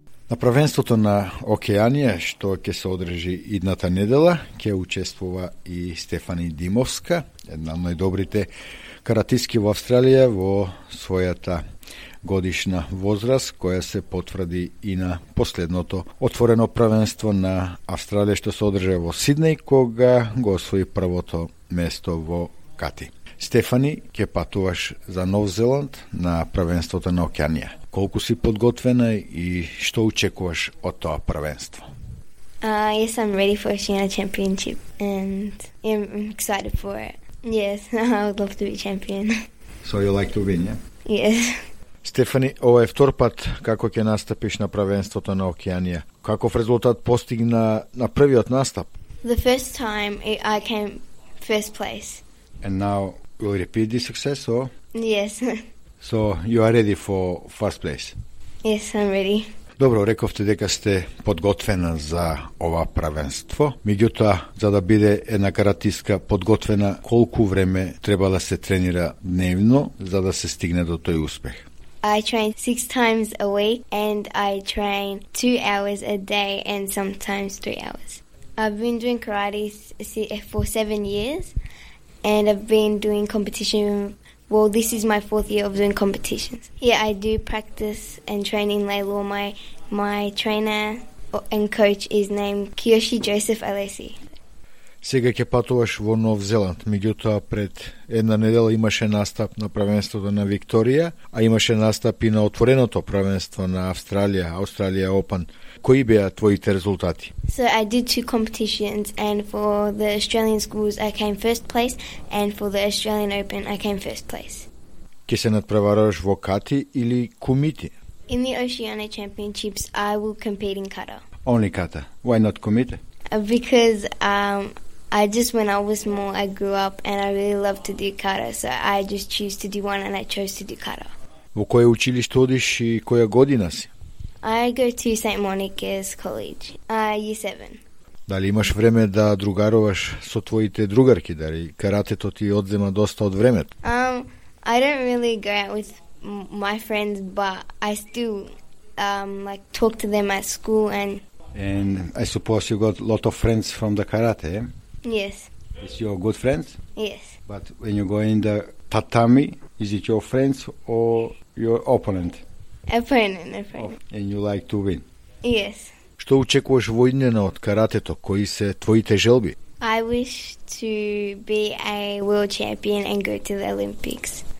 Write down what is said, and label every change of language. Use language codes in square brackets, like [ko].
[mk] На првенството на Океанија, што ќе се одржи идната недела, ќе учествува и Стефани Димовска, една од најдобрите каратистки во Австралија во својата годишна возраст, која се потврди и на последното отворено првенство на Австралија, што се одржа во Сиднеј, кога го освои првото место во Кати. Стефани, ќе патуваш за Нов Зеланд на првенството на Океанија. Колку си подготвена и што очекуваш од тоа првенство? [en] Yes, I'm ready for Oceania Championship and I'm excited for it. Yes, I would love to be champion. So you like to win, yeah? Yes. [mk] Стефани, ова е втор пат како ќе настапиш на првенството на Океанија. Каков резултат постигна на првиот настап? [en] The first time I came first place. And now will you repeat the success or? Yes. So you are ready for first place? Yes, I'm ready. [mk] Добро, рековте дека сте подготвена за ова првенство. Меѓутоа, за да биде една каратистка подготвена, колку време треба да се тренира дневно за да се стигне до тој успех? [en] I train 6 times a week and I train 2 hours a day and sometimes 3 hours. I've been doing karate for 7 years and I've been doing competition. Well, this is my 4th year of doing competitions. Yeah, I do practice and train in Leilua. My trainer and coach is named Kiyoshi Joseph Alesi. [mk] Сега ќе патуваш во Нов Зеланд, меѓутоа пред една недела имаше настап на првенството на Викторија, а имаше настап и на отвореното првенство на Австралија, Австралија Опен. Кои беа твоите резултати? [en] So I did 2 competitions and for the Australian schools I came first place and for the Australian Open I came first place. [mk] Ке се надпреваруваш во Кати или Кумити? [en] In the Oceania Championships I will compete in Kata. Only Kata. Why not Кумити? Because I just when I was small I grew up and I really love to do kata, so I just choose to do one and I chose to do kata. [mk] Во кое училиште одиш и која година си? [en] I go to St. Monica's College, year 7. [mk] Дали имаш време да другаруваш со твоите другарки, дали каратето ти одзема доста од времето? [en] I don't really go out with my friends, but I still talk to them at school. And And I suppose you got a lot of friends from the karate, eh? Yes. Is your good friends? Yes. But when you go in the tatami, is it your friends or your opponent? Opponent. And you like to win? Yes. [mk] Што очекуваш во иднина од каратето? Кои се твоите желби? [en] I wish to be a world champion and go to the Olympics.